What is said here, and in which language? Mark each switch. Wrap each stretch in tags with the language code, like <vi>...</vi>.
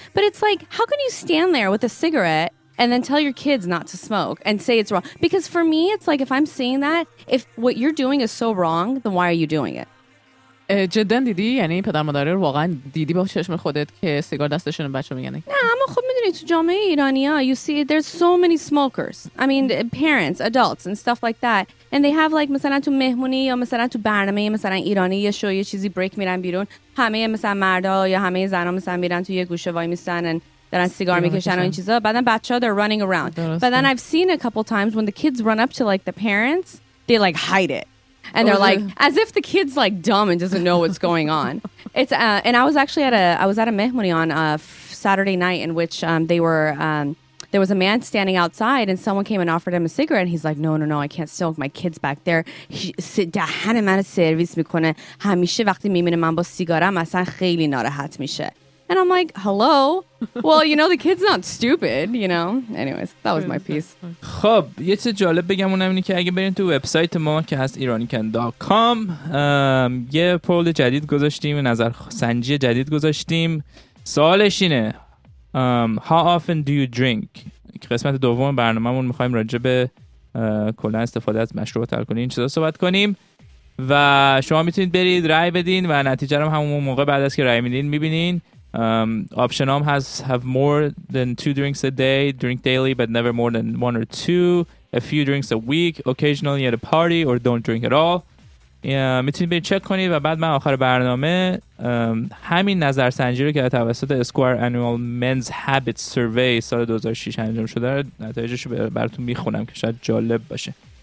<en>But it's like, how can you stand there with a cigarette and then tell your kids not to smoke and say it's wrong? Because for me, it's like, if I'm saying that, if what you're doing is so wrong, then why are you doing it?</en> <fa>جدن دیدی؟ یعنی پدر مادره رو واقعا دیدی با چشم خودت که سیگار دستشون بچه میگن؟ نه، اما خب میدونی تو جامعه ایرانی ها,</fa> <en>you see, there's so many smokers.</en> <fa>I mean, parents, adults, and stuff like that.</fa> <en>And they have like,</en> <fa>مثلا تو مهمونی یا مثلا تو برنامه مثلا ایرانی یا شو یا چیزی بریک میرن بیرون, همه مثلا مردا یا همه زنا مثلا میرن تو یه گوشه وای میسن and دارن سیگار میکشن و این چیزا, بعدن بچه ها</fa> <en>they're running around.</en> <fa>درسته.</fa> <en>But then I've seen a couple times when the kids run up to like the parents, they like hide it. And they're like, as if the kid's like dumb and doesn't know what's going on. It's and I was actually at a, I was at a mehmuni on a Saturday night in which they were, there was a man standing outside and someone came and offered him a cigarette. And he's like, no, no, no, I can't smoke. My kid's back there. Sit down and service me.</en> <fa>همیشه وقتی میبینه من با سیگارم اصلا خیلی ناراحت میشه.</fa> <en>And I'm like, hello? Well, you know, the kid's not stupid, you know? Anyways, that was my piece.</en> <fa>خب, یه چیز جالب بگم اونم اینه که اگه برین تو وبسایت ما که هست iranican.com, یه پول جدید گذاشتیم, نظر سنجی جدید گذاشتیم. سوالش اینه,</fa> <en>how often do you drink?</en> <fa>قسمت دوم برنامه مون میخواییم راجع به کلا استفاده از مشروبات الکلی این چیزا صحبت کنیم. و شما میتونید برید رای بدین و نتیجه رو همون موقع بعد از که رای میدین میبینین.</fa> <en>Option home has have more than two drinks a day, drink daily, but never more than one or two, a few drinks a week, occasionally at a party, or don't drink at all.</en> <fa>میتونید برید چک کنید و بعد من آخر برنامه همین نظرسنجی رو که توسط Square Annual Men's Habits Survey سال 2006 انجام شده نتایجش رو براتون میخونم که شاید جالب باشه.</fa>